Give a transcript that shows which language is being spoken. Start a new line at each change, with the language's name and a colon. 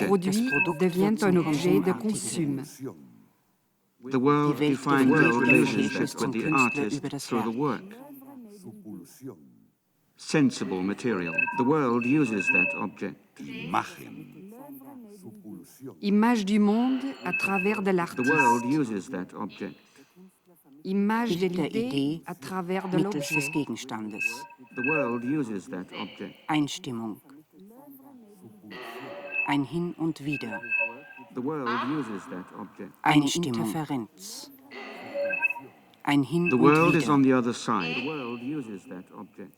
French: Le produit devient un objet de consomme.
English: The world defines the relationship with the artist through the work. Sensible material. The world uses that object.
Spanish: Imagen.
French: Image du monde à travers de l'artiste.
English: The world uses that object.
French: Image de l'idée à travers de l'objet.
English: The world uses that object.
German: Einstimmung. Ein Hin und Wider.
English: The world uses that object.
German: Eine Interferenz. Ein Hin und
English: The world is on the other side. The world uses that object.